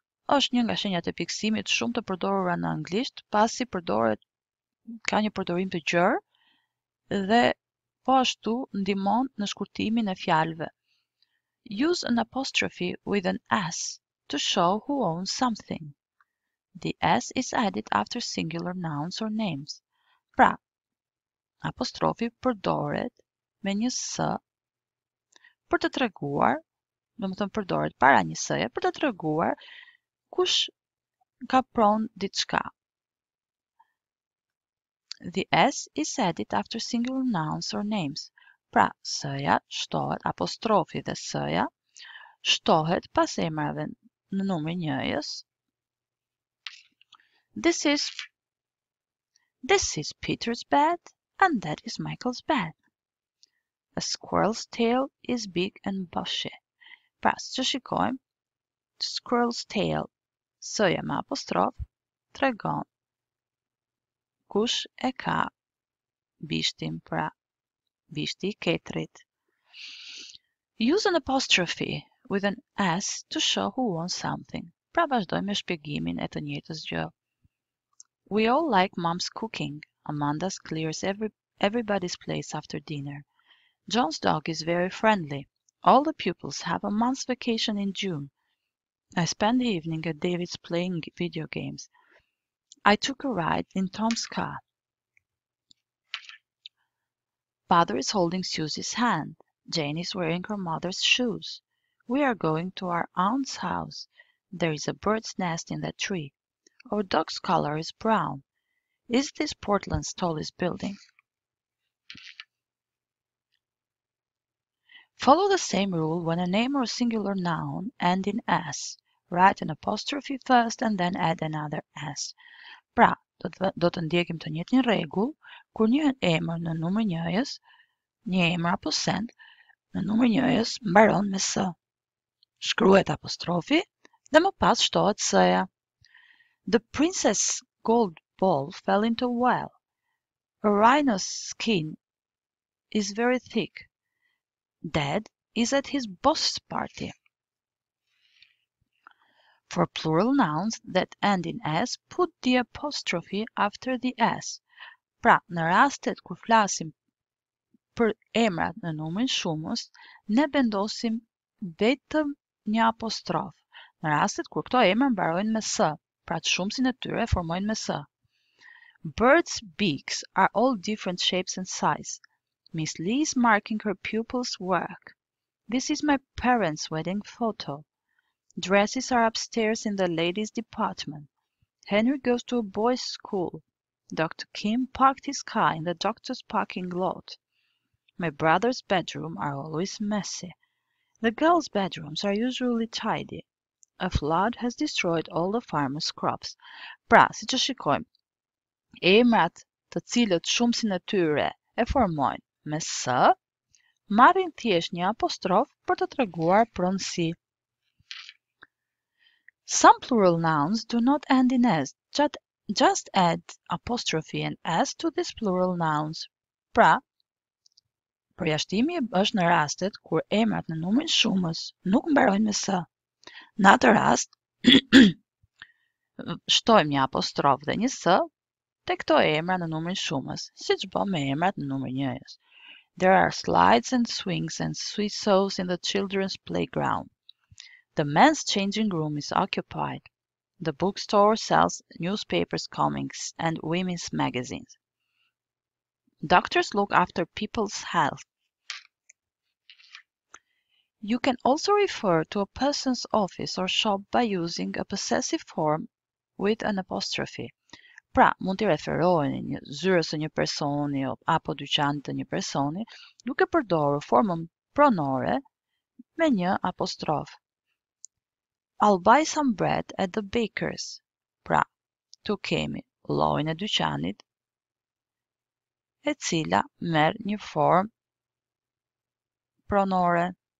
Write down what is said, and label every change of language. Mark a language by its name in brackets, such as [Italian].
[Albanian] Është një nga shenjat e pikësimit shumë të përdorura në anglisht, pasi përdoret ka një përdorim të gjerë dhe po ashtu ndihmon në shkurtimin e fjalëve. [English] Use an apostrophe with an s to show who owns something. The s is added after singular nouns or names. [Albanian] Pra, apostrofi përdoret me një s për të treguar, domethënë përdoret para një s-je për të treguar kush ka pronë diçka. [English] The s is added after singular nouns or names. [Albanian] Pra, s-ja shtohet apostrofi dhe s-ja shtohet pas emrave në numri njëjës. [English] This is Peter's bed and that is Michael's bed. A squirrel's tail is big and bushy. [Albanian] Pra, që shikojmë, squirrel's tail, s-ja me apostrof, tregon kush e ka bishtin, pra bishti i ketrit. [English] Use an apostrophe with an s to show who wants something. [Albanian] Pra vazhdojmë me shpjegimin e të njëjtës gjë. [English] We all like mom's cooking. Amanda clears everybody's place after dinner. John's dog is very friendly. All the pupils have a month's vacation in June. I spend the evening at David's playing video games. I took a ride in Tom's car. Father is holding Susie's hand. Jane is wearing her mother's shoes. We are going to our aunt's house. There is a bird's nest in that tree. Our dog's color is brown. Is this Portland's tallest building? Follow the same rule when a name or a singular noun end in s. Write an apostrophe first and then add another s. [Albanian] Pra, do të ndjekim të njëjtin rregull kur një emër në numër njëjës, një emër apo send në numër njëjës mbaron me s. Shkruhet apostrofi dhe më pas shtohet s-ja. [English] The princess gold ball fell into a well. A rhino's skin is very thick. Dad is at his boss's party. For plural nouns that end in s, put the apostrophe after the s. [Albanian] Pra, në rastet kur flasim për emrat në numrin shumës, ne vendosim vetëm një apostrof. Në rastet kur këto emra mbarojnë me s, pra të shumësin e tyre formojnë me s. [English] Birds' beaks are all different shapes and size. Miss Lee is marking her pupils' work. This is my parents' wedding photo. Dresses are upstairs in the ladies' department. Henry goes to a boys' school. Dr. Kim parked his car in the doctor's parking lot. My brother's bedroom are always messy. The girls' bedrooms are usually tidy. A flood has destroyed all the farmers' crops. [Albanian] Pra, si që shikojmë, emrat të cilët shumësin e tyre e formojnë me s, marrin thjesht një apostrof për të treguar pronësi. [English] Some plural nouns do not end in s. Just add apostrophe and s to these plural nouns. [Albanian] Pra, përjashtimi është në rastet kur emrat në numrin shumës nuk mbarojnë me s. Në atë rast, shtojmë një apostrof dhe një s tek këto emra në numrin shumës, siç bëm me emrat në numrin njëjës. [English] There are slides and swings and seesaws in the children's playground. The men's changing room is occupied. The bookstore sells newspapers, comics, and women's magazines. Doctors look after people's health. You can also refer to a person's office or shop by using a possessive form with an apostrophe. [Albanian] Pra, mund të referohen një zyrës e një personi apo dyqanit të një personi duke përdorur formën pronore me një apostrof. [English] I'll buy some bread at the baker's. [Albanian] Pra, tu kemi llojin e dyqanit e cila merr një formë pronore.